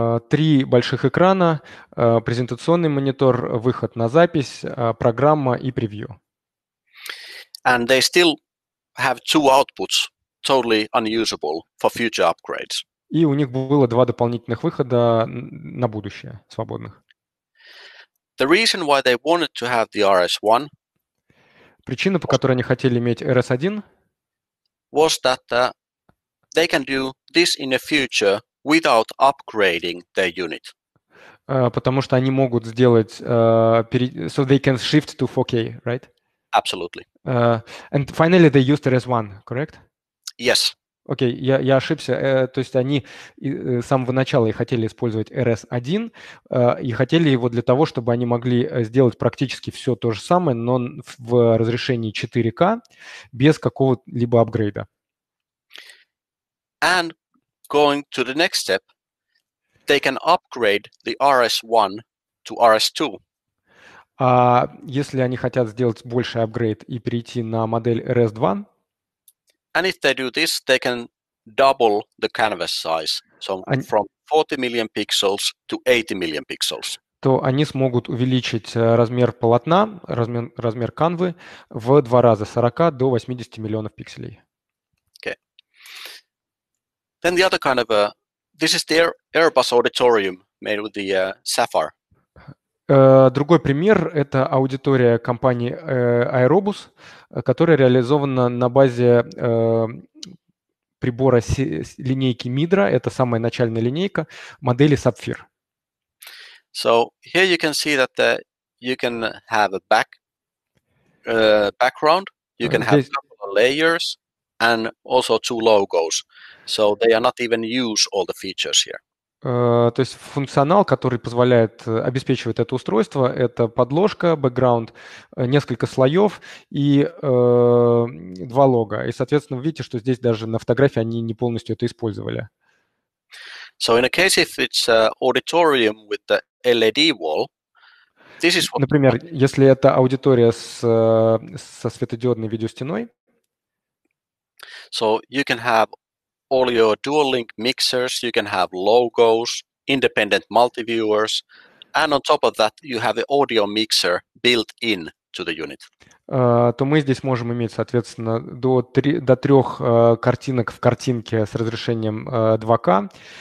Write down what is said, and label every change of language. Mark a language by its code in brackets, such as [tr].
[ru] Три больших экрана, презентационный монитор, выход на запись, программа и превью. [en] And they still have two outputs, totally unusable for future upgrades. [ru] И у них было два дополнительных выхода на будущее, свободных. [en] The reason why they wanted to have the RS1, [ru] причина, по которой они хотели иметь RS1, [en] was that they can do this in the future without upgrading their unit. [ru] Потому что они могут сделать [en] so they can shift to 4K, right? Absolutely. And finally they used RS1, correct? Yes. [ru] Okay, я ошибся. То есть они с самого начала и хотели использовать RS1, и хотели его для того, чтобы они могли сделать практически все то же самое, но в разрешении 4K без какого-либо апгрейда. [en] And going to the next step, they can upgrade the RS1 to RS2. [ru] А если они хотят сделать больший апгрейд и перейти на модель RS2? [en] And if they do this, they can double the canvas size, so from 40 million pixels to 80 million pixels. [ru] То они смогут увеличить размер полотна, размер канвы в два раза, 40 до 80 миллионов пикселей. [en] Then the other kind of this is their Airbus auditorium made with the Sapphire. [ru] Другой пример – это аудитория компании Airbus, которая реализована на базе прибора линейки Midra. Это самая начальная линейка модели Sapphire. [en] So here you can see that you can have a background. You can have layers and also two logos. So they are not even use all the features here. [ru] То есть функционал, который позволяет обеспечивать это устройство, это подложка, бэкграунд, несколько слоев и два лога. И, соответственно, вы видите, что здесь даже на фотографии они не полностью это использовали. [en] So in a case if it's an auditorium with the LED wall, this is what... [ru] Например, если это аудитория со светодиодной видеостеной, [en] so you can have all your dual link mixers, you can have logos, independent multiviewers, and on top of that, you have the audio mixer built in to the unit. [ru] То мы здесь можем иметь, соответственно, до трех картинок в картинке с разрешением 2K.